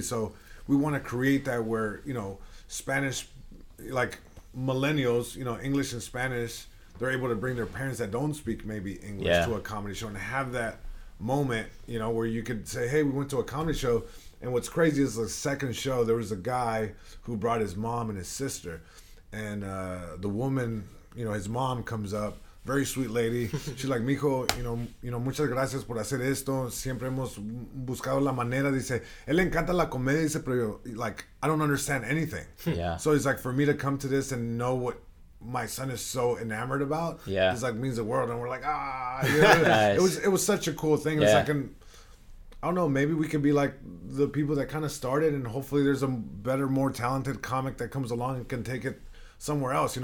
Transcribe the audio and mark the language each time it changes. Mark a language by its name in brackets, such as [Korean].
[English] So we want to create that where, you know, Spanish, like millennials, you know, English and Spanish, they're able to bring their parents that don't speak maybe English to a comedy show and have that moment, you know, where you could say, hey, we went to a comedy show. And what's crazy is the second show, there was a guy who brought his mom and his sister. And the woman, you know, his mom comes up, very sweet lady. She's like, [Spanish] mijo, [English] you know, [Spanish] muchas gracias por hacer esto. Siempre hemos buscado la manera. Dice, él encanta la comedia. Dice, pero yo, [English] like, I don't understand anything. Yeah. So it's like, for me to come to this and know what my son is so enamored about, it's like, means the world. And we're like, ah. You know, nice. It was such a cool thing. It's like, I don't know, maybe we could be like the people that kind of started, and hopefully there's a better, more talented comic that comes along and can take it somewhere else.